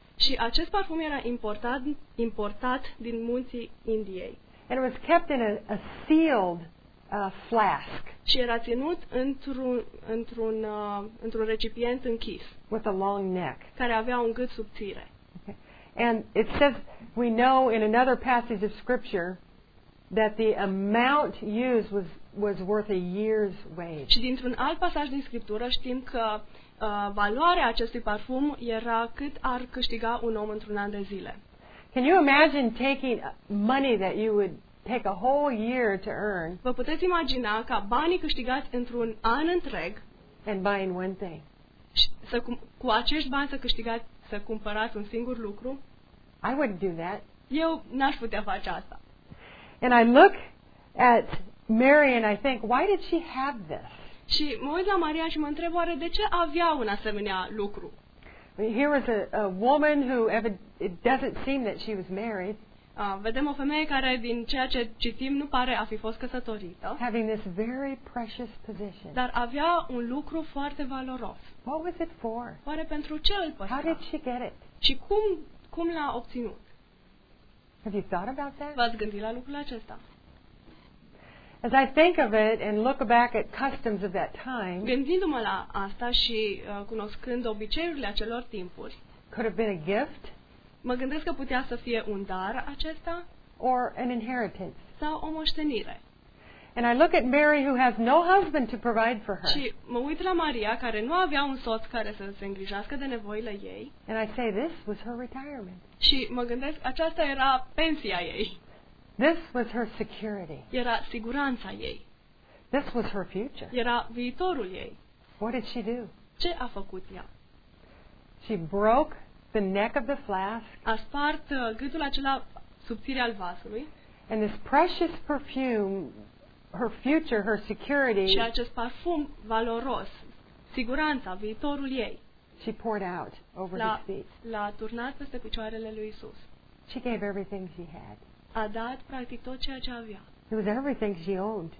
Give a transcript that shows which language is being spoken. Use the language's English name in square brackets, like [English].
[Romanian] Și acest parfum era importat din munții Indiei. [English] And it was kept in a sealed flask. [Romanian] Și era ținut într-un recipient închis. [English] With a long neck. [Romanian] Care avea un gât subțire. [English] Okay. And it says we know in another passage of scripture that the amount used was worth a year's wage. [Romanian] Și dintr-un alt pasaj din scriptură știm că valoarea acestui parfum era cât ar câștiga un om într-un an de zile. [English] Can you imagine taking money that you would take a whole year to earn? [Romanian] Vă puteți imagina ca banii câștigați într-un an întreg [English] and buying one thing. [Romanian] Să cu acești bani să câștigați, să cumpărați un singur lucru? [English] I wouldn't do that. [Romanian] Eu n-aș putea face asta. [English] And I look at Mary and I think, why did she have this? [Romanian] Și mă uit la Maria și mă întreb, oare de ce avea un asemenea lucru? [English] Here was a woman who it doesn't seem that she was married. [Romanian] Vedem o femeie care din ceea ce citim nu pare a fi fost căsătorită. [English] Having this very precious position. [Romanian] Dar avea un lucru foarte valoros. [English] What was it for? [Romanian] Oare pentru ce îl păstra? [English] How did she get it? [Romanian] Și cum l-a obținut? [English] Have you thought about that? [Romanian] V-ați gândit la lucrul acesta? [English] As I think of it and look back at customs of that time. [Romanian] Gândindu-mă la asta și cunoscând obiceiurile acelor timpuri. [English] Could have been a gift. [Romanian] Mă gândesc că putea să fie un dar acesta. [English] Or an inheritance. [Romanian] Sau o moștenire. [English] And I look at Mary who has no husband to provide for her. [Romanian] Și mă uit la Maria care nu avea un soț care să se îngrijească de nevoile ei. [English] And I say this was her retirement. [Romanian] Și mă gândesc aceasta era pensia ei. [English] This was her security. [Romanian] Era siguranța ei. [English] This was her future. [Romanian] Era viitorul ei. [English] What did she do? [Romanian] Ce a făcut ea? [English] She broke the neck of the flask. [Romanian] A spart gâtul acela subțire al vasului. [English] And this precious perfume, her future, her security. [Romanian] Și acest parfum valoros, siguranța, viitorul ei. [English] She poured out over his feet. [Romanian] L-a turnat peste picioarele lui Isus. [English] She gave everything she had. [Romanian] A dat practic tot ceea ce avea. [English] It was everything she owned.